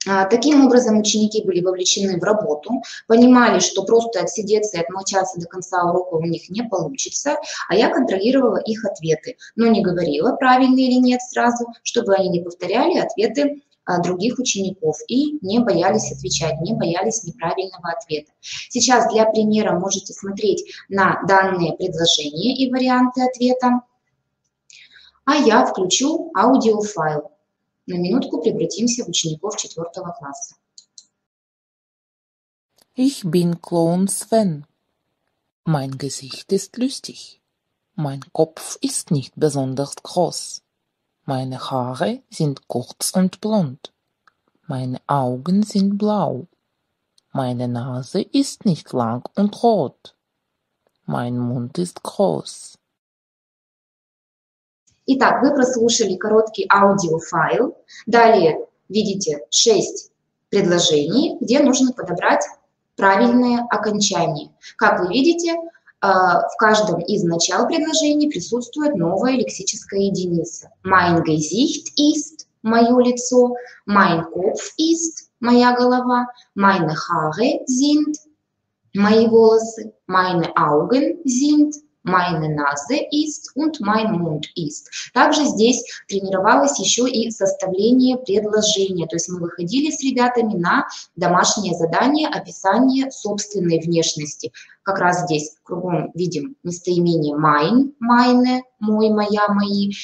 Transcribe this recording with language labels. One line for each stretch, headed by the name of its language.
Russian: Таким образом, ученики были вовлечены в работу, понимали, что просто отсидеться и отмолчаться до конца урока у них не получится, а я контролировала их ответы, но не говорила, правильно или нет сразу, чтобы они не повторяли ответы других учеников и не боялись отвечать, не боялись неправильного ответа. Сейчас для примера можете смотреть на данные предложения и варианты ответа, а я включу аудиофайл. На минутку превратимся в учеников 4 класса.
German: Ich bin Clown Sven. Mein Gesicht ist lustig. Mein Kopf ist nicht besonders groß. Meine Haare sind kurz und blond. Meine Augen sind blau. Meine Nase ist nicht lang und rot. Mein Mund ist groß.
Russian: Итак, вы прослушали короткий аудиофайл. Далее видите 6 предложений, где нужно подобрать правильное окончание. Как вы видите, в каждом из начал предложений присутствует новая лексическая единица.
German: Mein Gesicht ist –
Russian: мое лицо.
German: Mein Kopf ist –
Russian: моя голова.
German: Meine Haare sind –
Russian: мои волосы.
German: Meine Augen sind – Meine Nase ist und mein Mund ist.
Russian: Также здесь тренировалось еще и составление предложения. То есть мы выходили с ребятами на домашнее задание описание собственной внешности. Как раз здесь кругом видим местоимение mein, meine, мой, моя, мои.